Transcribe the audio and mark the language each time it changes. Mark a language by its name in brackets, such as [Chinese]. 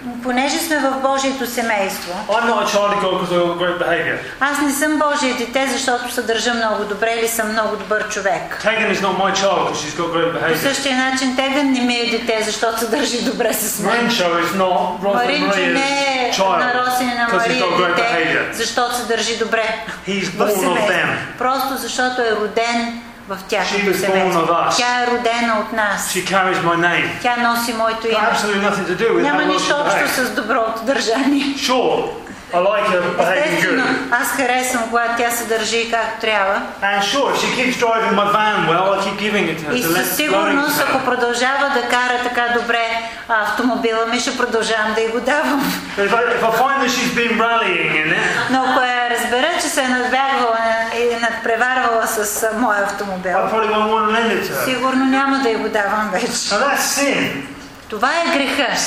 [Bulgarian] Понеже сме в Божието семейство. [English] I'm not a child of God because of great behavior. [Bulgarian] Аз не съм Божие дете, защото се държа много добре или съм много добър човек. [English] Tegan is not my child because she's got great behavior. [Bulgarian] По същия начин Теган не ми е дете, защото се държи добре с мен. [English] Маринчо is not Rosemary's child. [Bulgarian] Защото се държи добре. [English] He's born of them. [Bulgarian] Просто защото е роден. Тя е родена от нас. [English] She carries my name. [Bulgarian] Тя носи моето име. [English] Absolutely nothing to do with [Bulgarian] Няма нищо общо с доброто държание. [English] Sure. I like her behaving good. [Bulgarian] Аз харесвам, когато тя се държи както трябва. [English] And sure, if she keeps driving my van well, I keep giving it to her. [Bulgarian] И със сигурност, ако продължава да кара така добре автомобила ми, ще продължавам да й го давам. [English] If I find that she's been rallying in it. [Bulgarian] Но ако я разбера, че се е надбягвала надпреварвала с моя автомобил. Сигурно няма да я го давам вече. Това е греха.